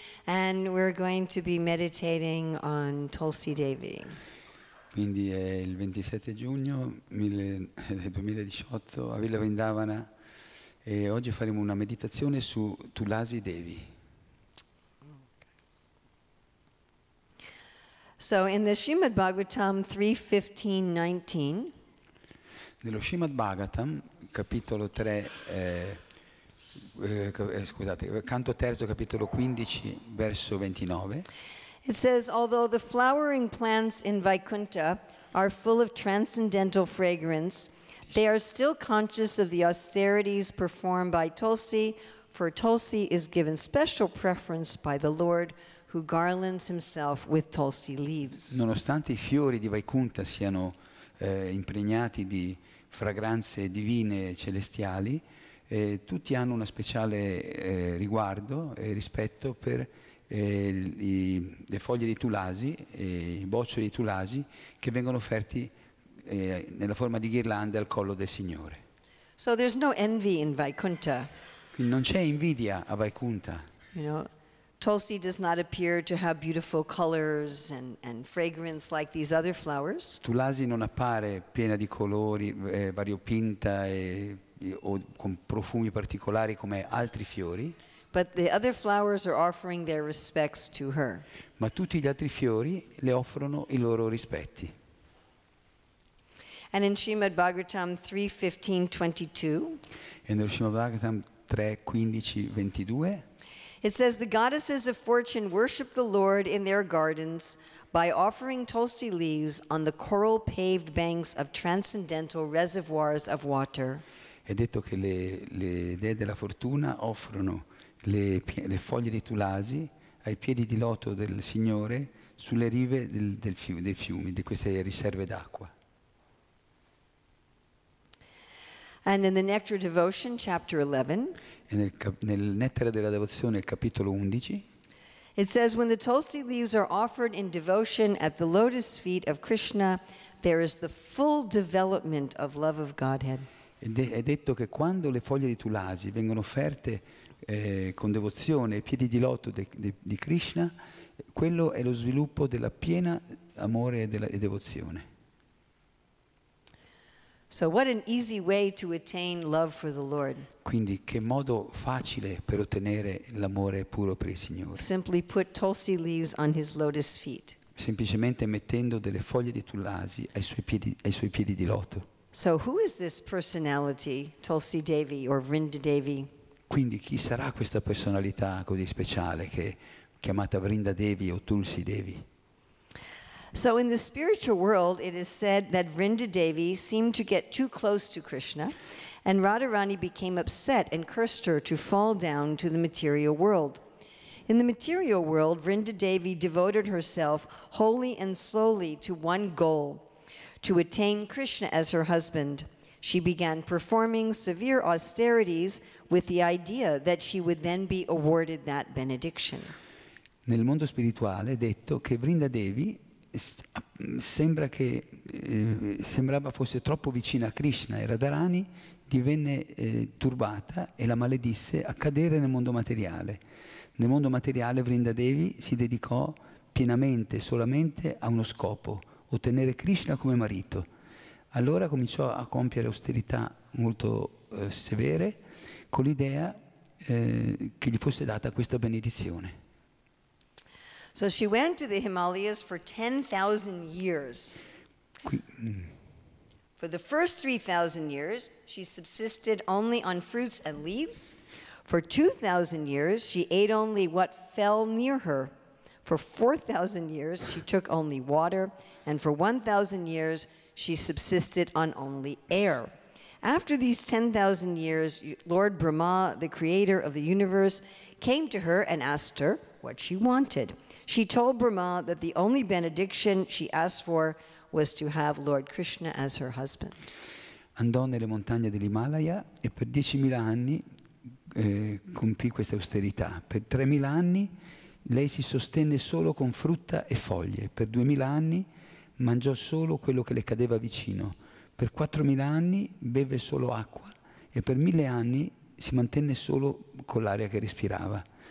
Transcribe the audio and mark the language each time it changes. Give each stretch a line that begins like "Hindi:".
English: And we're going to be meditating on Tulsi Devi.
Italian: Quindi è il 27 giugno 2018 a Villa Vrindavana e oggi faremo una meditazione su Tulsi Devi.
English: So in the Srimad Bhagavatam 3:15-19.
Italian: Nello Srimad Bhagavatam capitolo 3 scusate, canto terzo, capitolo 15, verso 29.
English: It says, although the flowering plants in Vaikuntha are full of transcendental fragrance, they are still conscious of the austerities performed by Tulsi, for Tulsi is given special preference by the Lord, who garlands himself with Tulsi leaves.
Italian: Nonostante i fiori di Vaikuntha siano impregnati di fragranze divine celestiali, tutti hanno una speciale riguardo e rispetto per le foglie di tulasi, i boccioli di tulasi che vengono offerti nella forma di ghirlande al collo del Signore.
English: So there's no envy in Vaikuntha.
Italian: Quindi non c'è invidia a Vaikuntha.
English: You know, Tulsi does not appear to have beautiful colors and fragrance like these other flowers.
Italian: Tulasi non appare piena di colori variopinta o con profumi particolari come altri fiori.
English: But the other flowers are offering their respects to her.
Italian: Ma tutti gli altri fiori le offrono i loro rispetti.
English: And in Srimad Bhagavatam 3:15-22.
Italian: E nello Srimad Bhagavatam 3:15-22.
English: It says the goddesses of fortune worship the Lord in their gardens by offering tulsi leaves on the coral paved banks of transcendental reservoirs of water.
Italian: È detto che le dee della fortuna offrono le foglie di tulasi ai piedi di loto del Signore sulle rive dei fiumi, di queste riserve d'acqua.
English: And in the Nectar Devotion, chapter 11,
Italian: e nel Nettare della Devozione, il capitolo 11,
English: it says, when the tulsi leaves are offered in devotion at the lotus feet of Krishna, there is the full development of love of Godhead.
Italian: È detto che quando le foglie di tulasi vengono offerte con devozione ai piedi di loto di Krishna, quello è lo sviluppo della piena amore e devozione.
English: So what an easy way to attain love for the Lord.
Italian: Quindi che modo facile per ottenere l'amore puro per il Signore.
English: Simply put tulsi leaves on his lotus feet.
Italian: Semplicemente mettendo delle foglie di tulasi ai suoi piedi di loto.
English: So who is this personality, Tulsi Devi or Vrinda Devi?
Italian: Quindi chi sarà questa personalità così speciale che è chiamata Vrinda Devi o Tulsi Devi?
English: So in the spiritual world it is said that Vrinda Devi seemed to get too close to Krishna and Radharani became upset and cursed her to fall down to the material world. In the material world, Vrinda Devi devoted herself wholly and slowly to one goal, to attain Krishna as her husband. She began performing severe austerities with the idea that she would then be awarded that benediction.
Italian: Nel mondo spirituale è detto che Vrinda Devi sembrava fosse troppo vicina a Krishna e Radharani divenne turbata e la maledisse a cadere nel mondo materiale. Nel mondo materiale Vrinda Devi si dedicò pienamente, solamente a uno scopo, ottenere Krishna come marito. Allora cominciò a compiere austerità molto severe con l'idea che gli fosse data questa benedizione.
English: So she went to the Himalayas for 10,000 years. For the first 3,000 years, she subsisted only on fruits and leaves. For 2,000 years, she ate only what fell near her. For 4,000 years, she took only water. And for 1,000 years, she subsisted on only air. After these 10,000 years, Lord Brahma, the creator of the universe, came to her and asked her what she wanted. She told Brahma that the only benediction she asked for was to have Lord Krishna as her husband.
Italian: Andò nelle montagne dell'Himalaya e per 10.000 anni compì questa austerità. Per 3.000 anni lei si sostenne solo con frutta e foglie. Per 2.000 anni mangiò solo quello che le cadeva vicino. Per 4.000 anni beve solo acqua e per 1.000 anni si mantenne solo con l'aria che respirava.